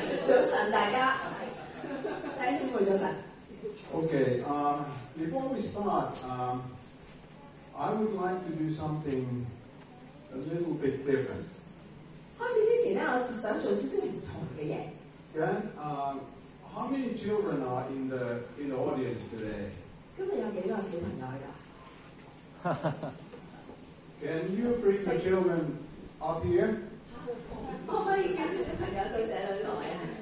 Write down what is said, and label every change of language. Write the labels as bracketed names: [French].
[Cantonese] 早晨大家，弟兄姊妹早晨。 [English] Okay. Before we start, I would like to do something a little bit different. [Cantonese] 開始之前咧，我想做少少唔同嘅嘢。 [English] Okay. How many children are in the audience today? [Cantonese] 今日有幾多小朋友喺度？ [English] Can you bring the children up here? [Cantonese] 可唔可以叫小朋友到这里来啊？